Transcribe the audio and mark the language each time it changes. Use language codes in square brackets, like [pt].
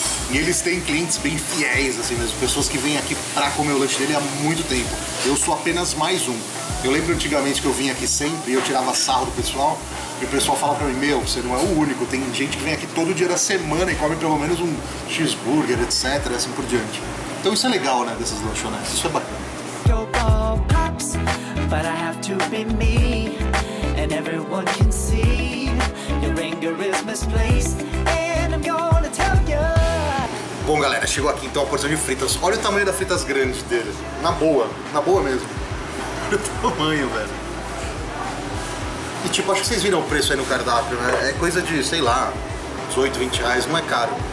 [pt] E eles têm clientes bem fiéis, assim mesmo. Pessoas que vêm aqui pra comer o lanche dele há muito tempo. Eu sou apenas mais um. Eu lembro antigamente que eu vinha aqui sempre e eu tirava sarro do pessoal. E o pessoal fala pra mim, meu, você não é o único. Tem gente que vem aqui todo dia da semana e come pelo menos um cheeseburger, etc. E assim por diante. Então isso é legal, né, dessas lanchonetes. Isso é bacana. [en] Your ball pops, but I have to be me. And everyone can see your anger is misplaced. And I'm gonna tell you. [pt] Bom, galera, chegou aqui então a porção de fritas. Olha o tamanho das fritas grandes dele. Na boa mesmo. Olha o tamanho, velho. E tipo, acho que vocês viram o preço aí no cardápio, né? É coisa de, sei lá, uns 8, 20 reais, não é caro.